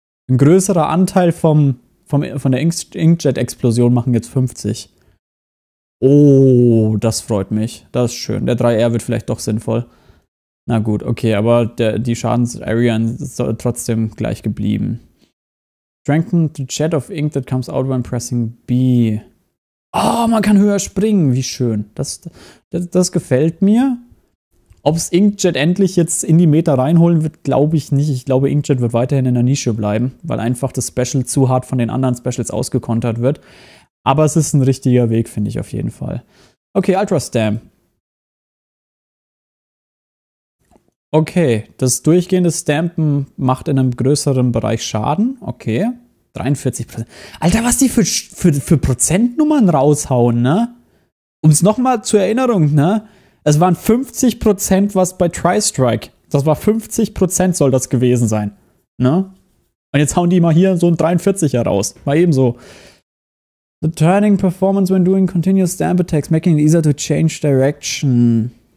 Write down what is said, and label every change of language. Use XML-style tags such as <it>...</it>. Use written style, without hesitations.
<de>Ein größerer Anteil von der Inkjet-Explosion machen jetzt 50. Oh, das freut mich. Das ist schön. Der 3R wird vielleicht doch sinnvoll. Na gut, okay, aber die Schadens-Area ist trotzdem gleich geblieben.</de> <en>Strengthen the jet of ink that comes out when pressing B.</en> <de>Oh, man kann höher springen. Wie schön. Das gefällt mir. Ob es Inkjet endlich jetzt in die Meta reinholen wird, glaube ich nicht. Ich glaube, Inkjet wird weiterhin in der Nische bleiben, weil einfach das Special zu hart von den anderen Specials ausgekontert wird. Aber es ist ein richtiger Weg, finde ich auf jeden Fall. Okay, Ultra Stam. Okay, das durchgehende Stampen macht in einem größeren Bereich Schaden. Okay, 43%. Alter, was die für Prozentnummern raushauen, ne? Um es nochmal zur Erinnerung, ne? Es waren 50%, was bei Tri-Strike. Das war 50% soll das gewesen sein, ne? Und jetzt hauen die mal hier so ein 43er raus. Mal eben so.</de> <en>The turning performance when doing continuous stamp attacks, making it easier to change direction.</en>